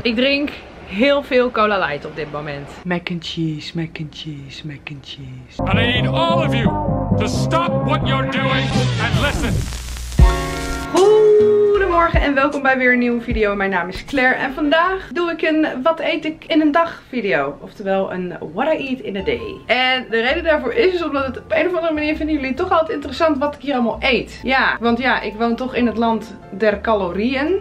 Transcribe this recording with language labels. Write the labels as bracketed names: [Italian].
[Dutch] Ik drink heel veel Cola Light op dit moment. [English] Mac and cheese, mac and cheese, mac and cheese. And I need all of you to stop what you're doing and listen. [Dutch] Goedemorgen en welkom bij weer een nieuwe video. Mijn naam is Claire en vandaag doe ik een wat eet ik in een dag video. Oftewel een [English] what I eat in a day. [Dutch] En de reden daarvoor is omdat het op een of andere manier vinden jullie toch altijd interessant wat ik hier allemaal eet. Ja, want ja, ik woon toch in het land der calorieën.